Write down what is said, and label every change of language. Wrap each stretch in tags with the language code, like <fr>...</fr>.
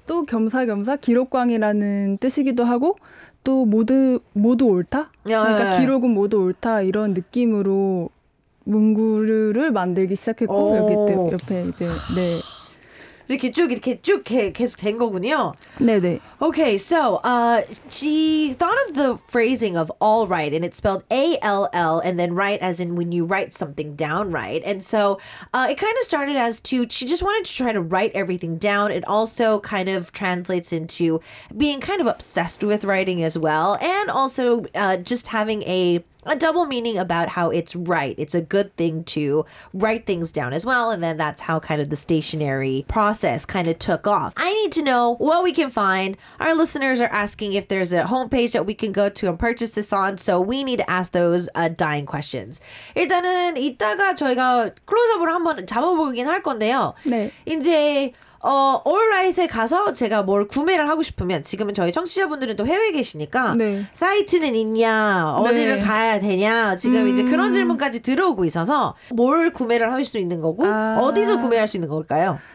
<ko>또 겸사겸사 기록광이라는 뜻이기도 하고 또 모두 옳다? 그러니까 기록은 모두 옳다 이런 느낌으로 문구류를 만들기 시작했고 옆에 이제 네. 이렇게 쭉 계속 된 거군요. 네네.</ko> <en>Okay, so she thought of the phrasing of all right, and it's spelled A-L-L, and then right as in when you write something down right. And so it kind of started as to, she just wanted to try to write everything down. It also kind of translates into being kind of obsessed with writing as well, and also just having a double meaning about how it's right. It's a good thing to write things down as well. And then that's how kind of the stationery process kind of took off. I need to know what we can find. Our listeners are asking if there's a homepage that we can go to and purchase this on. So we need to ask those dying questions.</en> <ko>일단은 이따가 저희가 클로즈업을 한번 잡아보긴 할 건데요. 네. 이제 올라잇에 가서 제가 뭘 구매를 하고 싶으면 지금은 저희 청취자분들은 또 해외에 계시니까 네. 사이트는 있냐 어디를 네. 가야 되냐 지금 이제 그런 질문까지 들어오고 있어서 뭘 구매를 할 수 있는 거고 어디서 구매할 수 있는 걸까요?</ko>